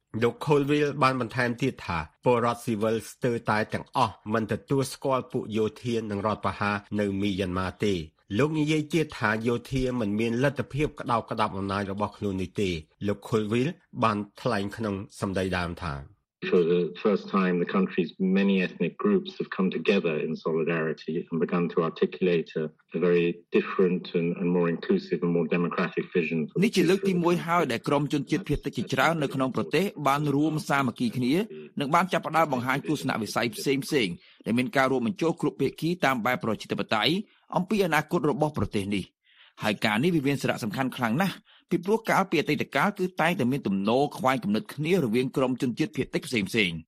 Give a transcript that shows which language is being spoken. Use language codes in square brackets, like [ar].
[km] លោក Colville បានបន្ថែមទៀតថាពលរដ្ឋស៊ីវិលស្ទើរតែទាំងអស់មិនទទួលស្គាល់ពួកយោធានិងរដ្ឋបហានៅមីយ៉ាន់ម៉ាទេលោកនិយាយទៀតថាយោធាមិនមានលទ្ធភាពក្តោបក្តាប់អំណាចរបស់ខ្លួននេះទេលោក Colville បានថ្លែងក្នុងសម្ដីដើមថា [en] For the first time, the country's many ethnic groups have come together in solidarity and begun to articulate a very different and more inclusive and more democratic vision. [km] នេះជាលើកទីមួយហើយដែលក្រុមជនជាតិភាគតិចជាច្រើននៅក្នុងប្រទេសបានរួមសាមគ្គីគ្នានិងបានចាប់ផ្តើមបង្ហាញទស្សនវិស័យផ្សេងៗដែលមានការរួមបញ្ចូលគ្រប់ភាគីតាមបែបប្រជាធិបតេយ្យអំពីអនាគតរបស់ប្រទេសនេះហើយការនេះវាមានសារៈសំខាន់ខ្លាំងណាស់ពីព្រោះកាលពីអតីតកាលគឺតែងតែមានទំនោរខ្វែងគំនិតគ្នារវាងក្រុមជនជាតិភាគតិចផ្សេង